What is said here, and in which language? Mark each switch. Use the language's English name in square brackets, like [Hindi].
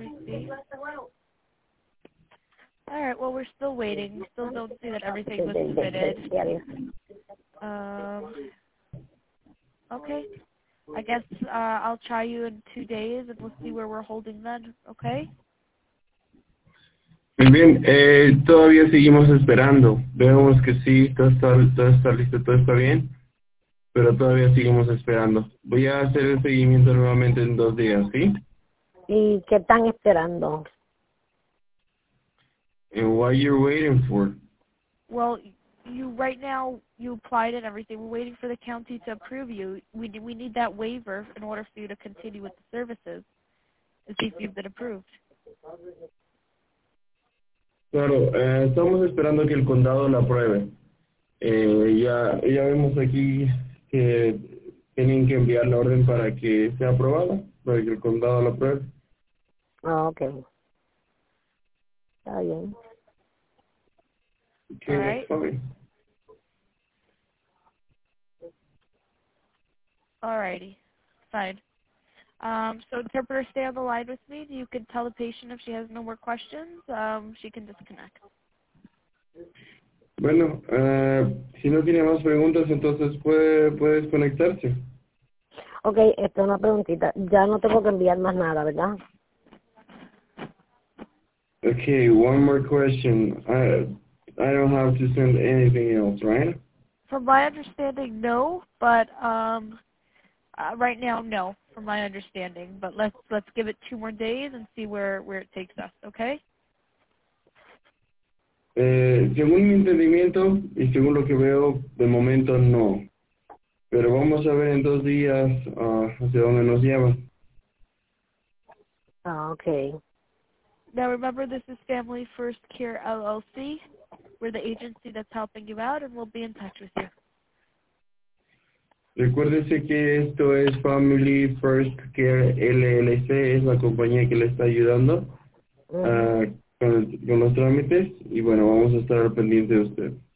[English] All right, well, we're still waiting. We still don't see that everything was submitted. Okay. I guess I'll try you in 2 days, and we'll see where we're holding then, okay? [Spanish] Muy bien. Todavía seguimos esperando. Vemos que sí, todo está listo, todo está bien, pero todavía seguimos esperando. Voy a hacer el seguimiento nuevamente en 2 días, ¿sí? ¿Y qué están esperando? [English] And what are you waiting for? Well, you right now, you applied and everything. We're waiting for the county to approve you. We need that waiver in order for you to continue with the services to see if you've been approved. [Spanish] Claro, estamos esperando que el condado la apruebe. Ya vemos aquí que tienen que enviar la orden para que sea aprobada, para que el condado la apruebe. Oh, okay. Está bien. [English] Okay, all right. Alrighty. Fine. So interpreter, stay on the line with me. You can tell the patient if she has no more questions. She can disconnect. [Spanish] Bueno, si no tiene más preguntas, entonces puede desconectarse. Okay, esta es una preguntita. Ya no tengo que enviar más nada, ¿verdad? [English] Okay, one more question. I don't have to send anything else, right? From my understanding, no. But right now, no. From my understanding, but let's give it 2 more days and see where it takes us, okay? [Spanish] Según mi entendimiento y según lo que veo, de momento no. Pero vamos a ver en 2 días hacia dónde nos lleva. [English] Okay. Now remember, this is Family First Care LLC. We're the agency that's helping you out, and we'll be in touch with you. [Spanish] Recuérdese que esto es Family First Care LLC, es la compañía que le está ayudando con los trámites, y bueno, vamos a estar al pendiente de usted.